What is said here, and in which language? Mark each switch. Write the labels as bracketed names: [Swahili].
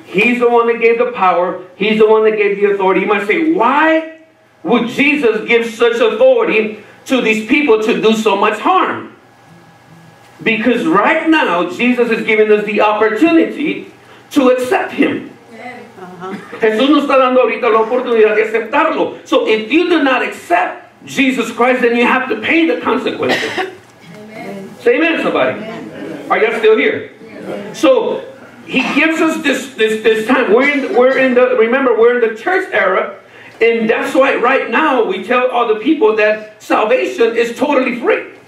[English] He's the one that gave the power. He's the one that gave the authority. You might say, why would Jesus give such authority to these people to do so much harm? Because right now, Jesus is giving us the opportunity to accept him. [Spanish] Jesús nos está dando ahorita la oportunidad de aceptarlo. [English] So if you do not accept Jesus Christ, then you have to pay the consequences. Amen. Say amen, somebody. Amen. Are you still here? Amen. So he gives us this time. We're in the church era, and that's why right now we tell all the people that salvation is totally free.